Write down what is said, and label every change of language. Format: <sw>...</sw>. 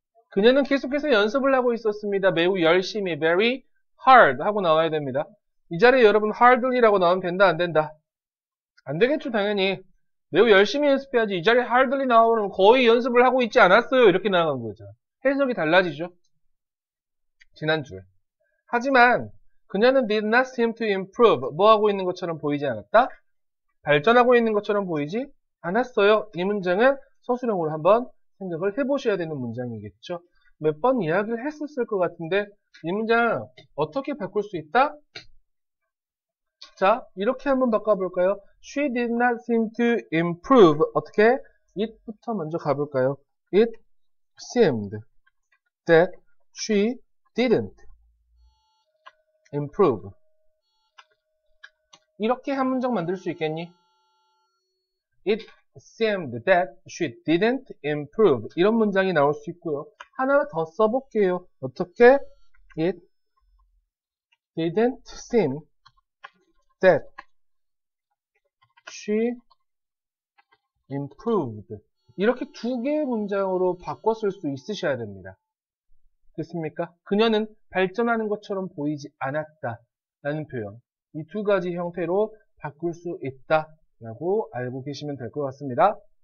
<ko>그녀는 계속해서 연습을 하고 있었습니다. 매우 열심히,</ko> <en>very hard</en> <ko>하고 나와야 됩니다. 이 자리에 여러분 hardly라고 나오면 된다, 안 된다? 안 되겠죠, 당연히. 매우 열심히 연습해야지. 이 자리에 hardly 나오면 거의 연습을 하고 있지 않았어요. 이렇게 나간 거죠. 해석이 달라지죠. 지난주에. 하지만 그녀는</ko> <en>did not seem to improve.</en> <ko>뭐 하고 있는 것처럼 보이지 않았다? 발전하고 있는 것처럼 보이지 않았어요. 이 문장은 서술형으로 한번 생각을 해보셔야 되는 문장이겠죠. 몇번 이야기를 했었을 것 같은데, 이 문장 어떻게 바꿀 수 있다? 자, 이렇게 한번 바꿔볼까요?</ko> <en>She did not seem to improve.</en> <ko>어떻게? It부터 먼저 가볼까요?</ko> <en>It seemed that she didn't improve.</en> <ko>이렇게 한 문장 만들 수 있겠니?</ko> <en>It seemed that she didn't improve.</en> <ko>이런 문장이 나올 수 있고요. 하나 더 써볼게요. 어떻게?</ko> <en>It didn't seem that she improved.</en> <ko>이렇게 두 개의 문장으로 바꿨을 수 있으셔야 됩니다. 됐습니까? 그녀는 발전하는 것처럼 보이지 않았다. 라는 표현. 이 두 가지 형태로 바꿀 수 있다. 라고 알고 계시면 될 것 같습니다.</ko>